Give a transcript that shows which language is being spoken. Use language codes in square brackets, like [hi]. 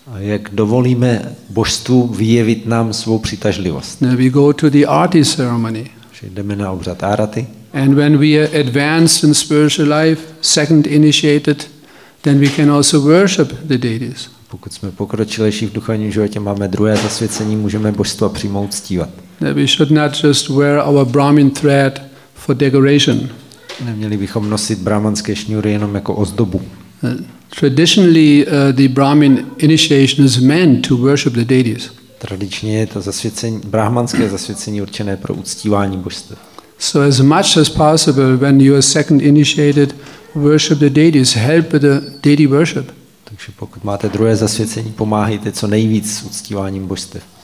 [cs] A jak dovolíme božstvu vyjevit nám svou přitažlivost? [en] Now we go to the arati ceremony. [cs] Jdeme na obřad arati. [en] And when we are advanced in spiritual life, second initiated, then we can also worship the deities. [cs] Pokud jsme pokročilejší v duchovním životě, máme druhé zasvěcení, můžeme božstva přímo uctívat. [en] We should not just wear our Brahmin thread for decoration. [cs] Neměli bychom nosit brahmanské šňůry jenom jako ozdobu. [en] Traditionally the Brahmin initiation is meant to worship the deities. [cs] Tradičně je to zasvěcení, brahmanské zasvěcení určené pro uctívání božstva. [en] So as much as possible when you are second initiated, worship the deities, help the deity worship. [cs] Takže pokud máte druhé zasvěcení, pomáhejte co nejvíc s uctíváním božstev.